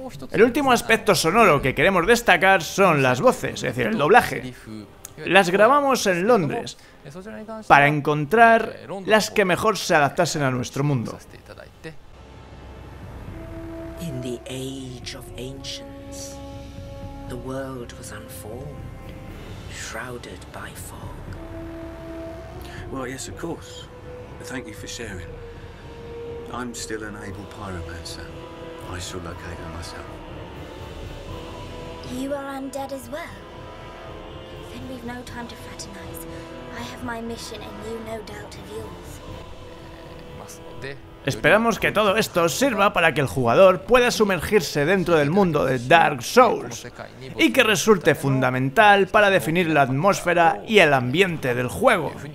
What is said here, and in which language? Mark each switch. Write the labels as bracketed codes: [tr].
[es] El último aspecto sonoro que queremos destacar son las voces, es decir, el doblaje. Las grabamos en Londres para encontrar las que mejor se adaptasen a nuestro mundo. [en] In the age of ancients, the world was unformed, shrouded by fog. Well, yes, of course. Thank you for sharing. I'm still an able pyromancer. I shall locate them myself. You are undead as well. Then we've no time to fraternize. I have my mission and you no doubt have yours. [es] Esperamos que todo esto sirva para que el jugador pueda sumergirse dentro del mundo de Dark Souls y que resulte fundamental para definir la atmósfera y el ambiente del juego.